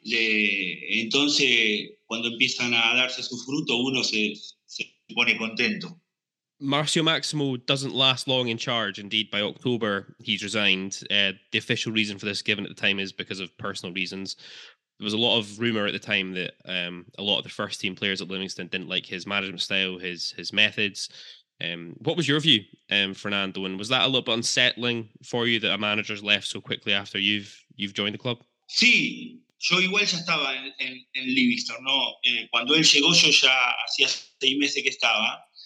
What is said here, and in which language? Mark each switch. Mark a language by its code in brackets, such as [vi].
[es] Entonces, cuando empiezan a darse su fruto, uno se pone contento. [en] Marcio Maximo doesn't last long in charge. Indeed, by October, he's resigned. The official reason for this given at the time is because of personal reasons. There was a lot of rumour at the time that a lot of the first team players at Livingston didn't like his management style, his methods. What was your view, Fernando? And was that a little bit unsettling for you that a manager's left so quickly after you've joined the club? [es] Sí, yo igual ya estaba en Livingston, ¿no? Cuando él llegó yo ya hacía 6 meses que estaba.